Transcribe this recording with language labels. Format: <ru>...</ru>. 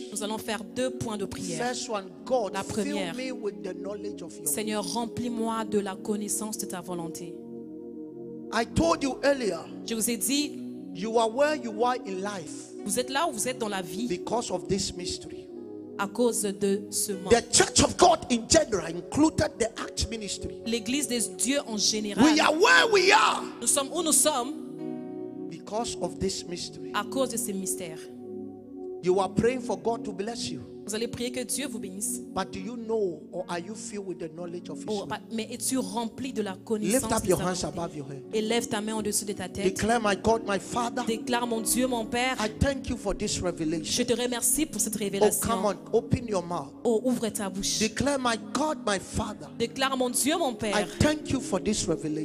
<fr>Nous allons faire deux points de prière.</fr> <en>First one, God,</en> <fr>la première.</fr> <en>Fill me with the knowledge of your</en> <fr>Seigneur, remplis-moi de la connaissance de ta volonté.</fr> <en>I told you earlier.</en> <fr>Je vous ai dit.</fr> <en>You are where you are in life.</en> <fr>Vous êtes là où vous êtes dans la vie.</fr> <en>Because of this mystery.</en> <fr>À cause de ce</fr> <en>the church of God in general included the act ministry.</en> <fr>L'église des dieux en général.</fr> <en>We are where we are.</en> <fr>Nous sommes où nous sommes.</fr> <en>Because of this mystery.</en> <fr>À cause de ce mystère.</fr> <en>You are praying for God to bless you.</en> <fr>Vous allez prier que Dieu vous bénisse.</fr> <en>But do you know or are you filled with the knowledge of His will?</en> <fr>Mais es-tu rempli de la connaissance?</fr> <en>Lift up your hands above your head.</en> <fr>Élève ta main au-dessus de ta tête.</fr> <en>Declare my God, my Father.</en> <fr>Déclare mon Dieu, mon Père.</fr> <en>I thank you for this revelation.</en> <fr>Je te remercie pour cette révélation.</fr> <en>Oh, come on, open your mouth.</en> <fr>Oh, ouvre ta bouche.</fr> <en>Declare my God, my Father.</en> <fr>Déclare mon Dieu, mon Père.</fr> <en>I thank you for this revelation.</en>